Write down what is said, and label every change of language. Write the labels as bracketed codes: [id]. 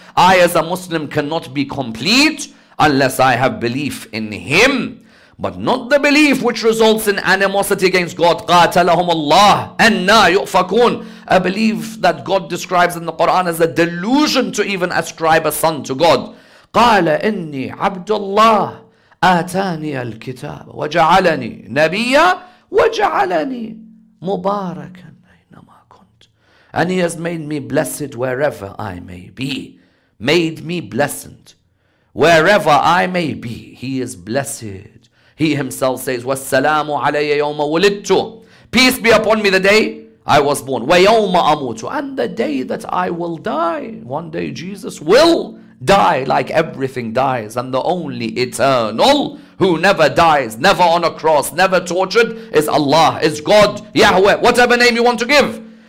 [en] I as a Muslim cannot be complete unless I have belief in Him. But not the belief which results in animosity against God. [ar] قَاتَلَهُمُ اللَّهُ أَنَّا يُؤْفَكُونَ. [en] A belief that God describes in the Quran as a delusion to even ascribe a son to God. [ar] قال إني عبد الله آتاني الكتاب وجعلني نبيا وجعلني مباركا أينما كنت. [en] And He has made me blessed wherever I may be. Made me blessed wherever I may be. He is blessed. He Himself says, [ar] والسلام علي يوم ولدت. [en] Peace be upon me the day I was born. [ar] ويوم أموت. [en] And the day that I will die. One day Jesus will die like everything dies, and the only eternal who never dies, never on a cross, never tortured, is Allah, is God, Yahweh, whatever name you want to give.